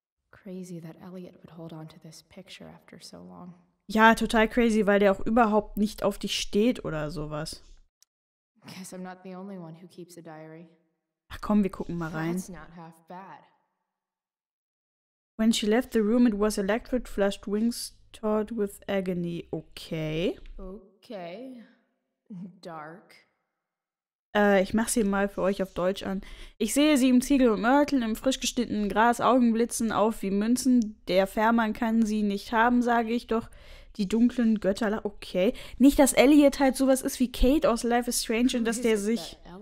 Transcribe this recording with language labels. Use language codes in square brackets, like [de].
[en] Crazy that Elliot would hold on to this picture after so long. [de] Ja, total crazy, weil der auch überhaupt nicht auf dich steht oder sowas. [en] Guess I'm not the only one who keeps a diary. [de] Ach komm, wir gucken mal rein. [en] That's not half bad. When she left the room, it was electric flashed wings taut with agony. Okay. Okay. Dark. [de] Ich mach's hier mal für euch auf Deutsch an. Ich sehe sie im Ziegel und Mörtel, im frisch geschnittenen Gras, Augen blitzen auf wie Münzen. Der Fährmann kann sie nicht haben, sage ich doch. Die dunklen Götter. Okay. Nicht, dass Elliot halt sowas ist wie Kate aus Life is Strange und dass der sich.